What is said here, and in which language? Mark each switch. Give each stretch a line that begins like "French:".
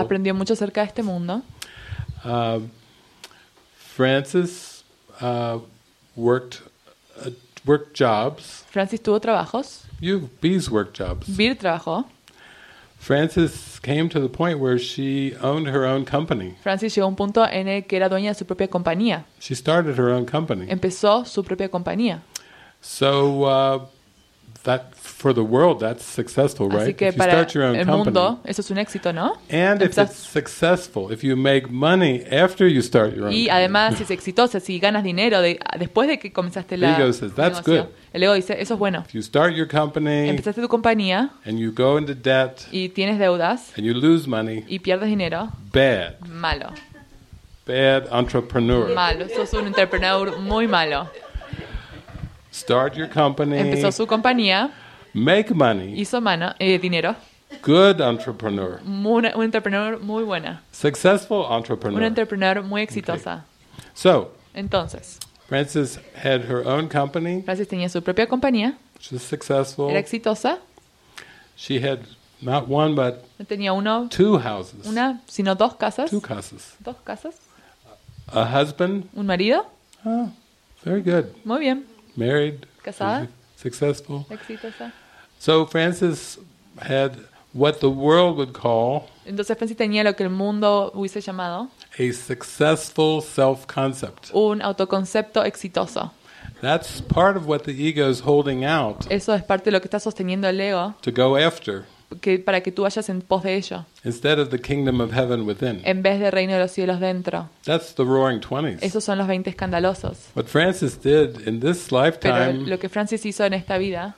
Spanish: Aprendió mucho acerca de este mundo.
English: Francis worked jobs.
Spanish: Francis tuvo trabajos.
English: Bill's worked jobs.
Spanish: Bill trabajó.
English: Frances came to the point where she owned her own company.
Spanish: Frances llegó a un punto en el que era dueña de su propia compañía.
English: She started her own company.
Spanish: Empezó su propia compañía.
English: So that for the world, that's successful, right?
Spanish: Así que para el mundo, eso es un éxito, ¿no?
English: And if it's successful, if you make money after you start your own company.
Spanish: Y además, si es exitosa, si ganas dinero después de que comenzaste la negocio.
English: Ego says, that's good.
Spanish: El ego dice, eso es bueno.
English: If you start your company,
Spanish: empezaste tu compañía,
English: and you go into debt,
Spanish: y tienes deudas,
English: and you lose money,
Spanish: y pierdes dinero,
English: bad.
Spanish: Malo.
English: Bad entrepreneur.
Spanish: Malo. Sos un entrepreneur muy malo.
English: Start your company.
Spanish: Empezó su compañía.
English: Make money.
Spanish: Hizo mano, dinero.
English: Good entrepreneur.
Spanish: Un entrepreneur muy buena.
English: Successful entrepreneur.
Spanish: Un entrepreneur muy exitosa.
English: Okay. So.
Spanish: Entonces.
English: Frances had her own company.
Spanish: Frances tenía su propia compañía.
English: She was successful.
Spanish: Era exitosa.
English: She had not one but.
Spanish: No tenía uno.
English: Two houses.
Spanish: Una, sino dos casas.
English: Two houses.
Spanish: Dos casas.
English: A husband.
Spanish: Un marido.
English: Oh, very good.
Spanish: Muy bien.
English: Married.
Spanish: Casada.
English: Successful.
Spanish: Exitosa.
English: So Frances had what the world would call.
Spanish: Entonces Frances tenía lo que el mundo hubiese llamado.
English: A successful self-concept.
Spanish: Un autoconcepto exitoso.
English: That's part of what the ego is holding out.
Spanish: Eso es parte de lo que está sosteniendo el ego.
English: To go after.
Spanish: Que para que tú vayas en pos de ello.
English: Instead of the kingdom of heaven within.
Spanish: En vez del reino de los cielos dentro.
English: That's the roaring 20s.
Spanish: Esos son los 20 escandalosos.
English: What Francis did in this lifetime.
Spanish: Pero lo que Francis hizo en esta vida.